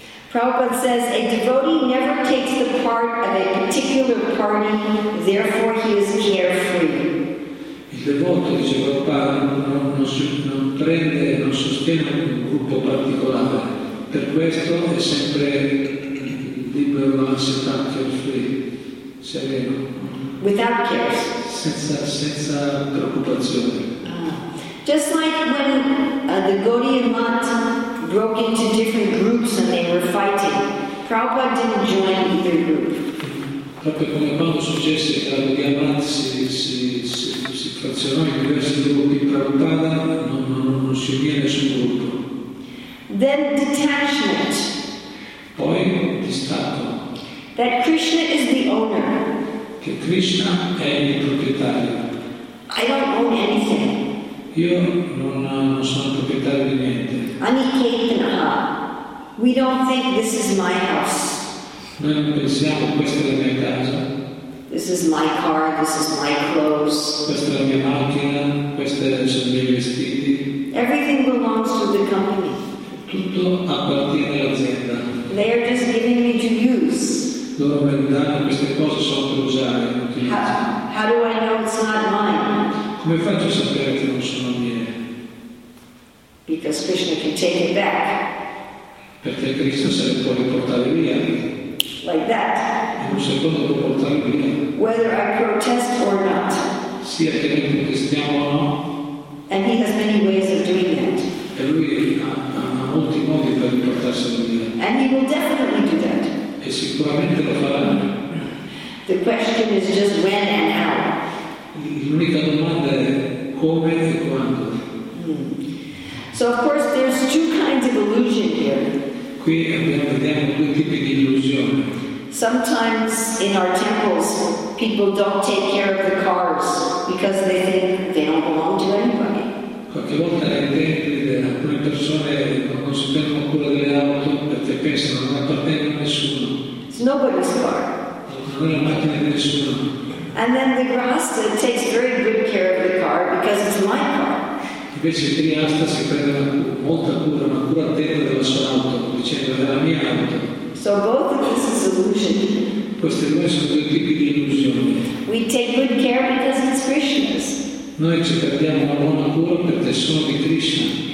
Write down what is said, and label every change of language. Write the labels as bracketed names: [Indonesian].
[English] Prabhupada says, a devotee never takes the part of a particular party, therefore he is carefree. [Italian] Il devoto, dice Prabhupada, non prende, non sostiene un gruppo particolare. Per questo è sempre libero, assetato, carefree, sereno. [English] Without cares. [Italian] Senza preoccupazioni. [English] Just like when the Gaudiya Mutt broke into different groups and they were fighting. Prabhupada didn't join either group. [Italian] Proprio come quando successe che la Gaudiya si frazionò in diversi gruppi, Prabhupada non si unì a nessun gruppo. [English] Then detachment. [Italian] Poi distacco. [English] That Krishna is the owner. [Italian] Che Krishna è il proprietario. [English] I don't own anything. [Italian] Io non sono proprietario di niente. [English] Aniketana. We don't think this is my house. [Italian] Noi non pensiamo questa è la mia casa. [English] This is my car, this is my clothes. [Italian] Questa è la mia macchina, questi sono i miei vestiti. [English] Everything belongs to the company. [Italian] Tutto appartiene all'azienda. [English] They are just giving me to use. [Italian] Loro mi danno queste cose solo per usare. [English] How do I know it's not mine? [Italian] Come faccio a sapere che non sono miei? [English] Because Krishna can take it back. [Italian] Perché Cristo se ne può riportare via. [English] Like that. [Italian] In un secondo può portare via. [English] Whether I protest or not. [Italian] Sia che noi protestiamo o no. [English] And he has many ways of doing that. [Italian] E lui ha molti modi per riportarselo via. [English] And he will definitely do that. [Italian] E sicuramente lo farà. [English] The question is just when and how. [Italian] L'unica domanda è come e quando. [English] So of course there's two kinds of illusion here. [Italian] Qui vediamo due tipi di illusione. [English] Sometimes in our temples people don't take care of the cars because they think they don't belong to anybody. [Italian] Qualche volta nei templi alcune persone non si prendono cura delle auto perché pensano non appartengono a nessuno. [English] It's nobody's car. [Italian] Non è la macchina di nessuno. [English] And then the grihastha takes very good care of the car because it's my car. [Italian] Invece il grihastha si prende molta cura, ma cura attenta della sua auto, dicendo è la mia auto. [English] So both of this is illusion. [Italian] Queste due sono due tipi di illusioni. [English] We take good care because it's Krishna's. [Italian] Noi ci perdiamo una buona cura perché sono di Krishna.